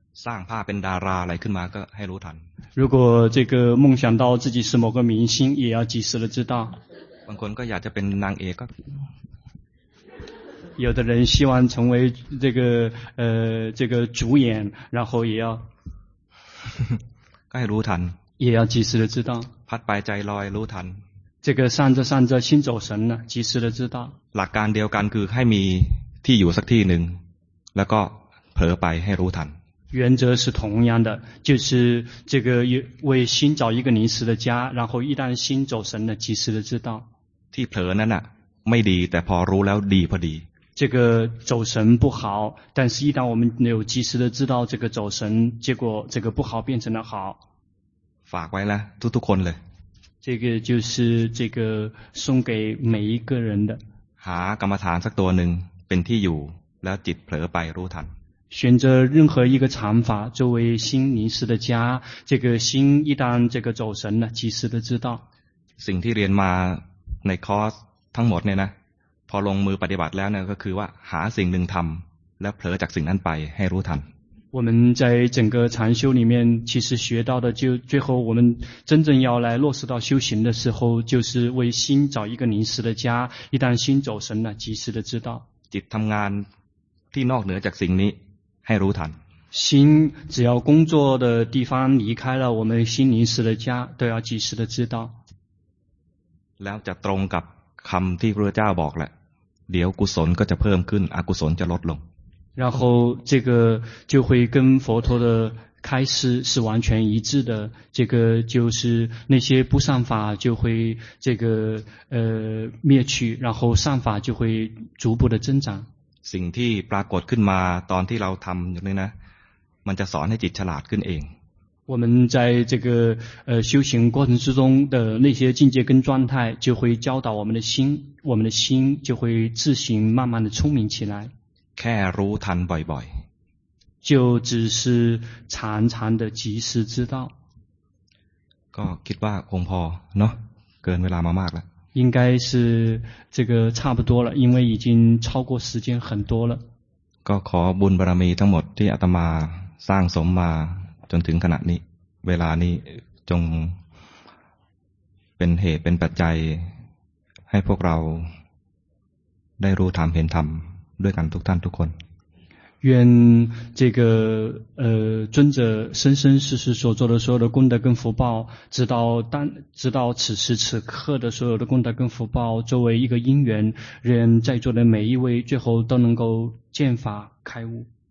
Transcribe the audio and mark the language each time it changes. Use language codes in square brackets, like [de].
[th] สร้างภาพเป็นดาราอะไรขึ้นมาก็ให้รู้ทัน [zh] 如果这个梦想到自己是某个明星也要及时的知道 [th] บางคนก็อยากจะเป็นนางเอกก็ [zh] 有的人希望成为这个这个主演然后也要 [th] ก็ให้รู้ทัน [zh] 也要及时的知道 [th] พัดไปใจลอยรู้ทัน [zh] 这个散着散着心走神了及时的知道 [th] หลักการเดียวกันคือให้มีที่อยู่สักที่หนึ่งแล้วก็เผลอไปให้รู้ทัน [zh] 原则是同样的就是这个为心找一个临时的家然后一旦心走神了及时的知道 [th] ที่เผลอนั้นน่ะไม่ดีแต่พอรู้แล้วดีพอดี [zh] 这个走神不好但是一旦我们有及时的知道这个走神结果这个不好变成了好 [th] ฝากไว้ละทุกๆคนเลย [zh] 这个就是这个送给每一个人的 [th] หากรรมฐานสักตัวหนึ่งเป็นที่อยู่แล้วจิตเผลอไปรู้ทัน [zh] 选择任何一个禅法作为心临时的家这个心一旦这个走神了及时的知道 [th] สิ่งที่เรียนมาในคอร์สทั้งหมดเนี่ยนะพอลงมือปฏิบัติแล้วเนี่ยก็คือว่าหาสิ่งหนึ่งทำและเผลอจากสิ่งนั้นไปให้รู้ทัน [zh] 我们在整个禅修里面其实学到的就最后我们真正要来落实到修行的时候就是为心找一个临时的家一旦心走神了及时的知道 [th] จิตทำงานที่นอกเหนือจากสิ่งนี้ให้รู้ทัน [zh] 心只要工作的地方离开了我们心临时的家都要及时的知道 [th] แล้วจะตรงกับคำที่พระเจ้าบอกแหละเดี๋ยวกุศลก็จะเพิ่มขึ้นอกุศลจะลดลง [zh] 然后这个就会跟佛陀的开始是完全一致的，这个就是那些不善法就会这个灭去，然后善法就会逐步的增长。 [th] สิ่งที่ปรากฏขึ้นมาตอนที่เราทำอย่างนี้นะมันจะสอนให้จิตฉลาดขึ้นเอง。 [zh] 我们在这个修行过程之中的那些境界跟状态，就会教导我们的心，我们的心就会自行慢慢的聪明起来。 [th] แค่รู้ทันบ่อย [zh] ๆ就只是常常的及时知道。 [th] ก็คิดว่าคงพอเนาะเกินเวลามามากแล้ว。 [zh] 应该是这个差不多了，因为已经超过时间很多了。 [th] ก็ขอบุญบารมีทั้งหมดที่อาตมาสร้างสมมาจนถึงขณะนี้เวลานี้จงเป็นเหตุเป็นปัจจัยให้พวกเราได้รู้ธรรมเห็นธรรมด้วยกันทุกท่านทุกคน [zh] 愿这个尊者生生世世所做的所有的功德跟福报，直到此时此刻的所有的功德跟福报，作为一个因缘，愿在座的每一位最后都能够见法开悟。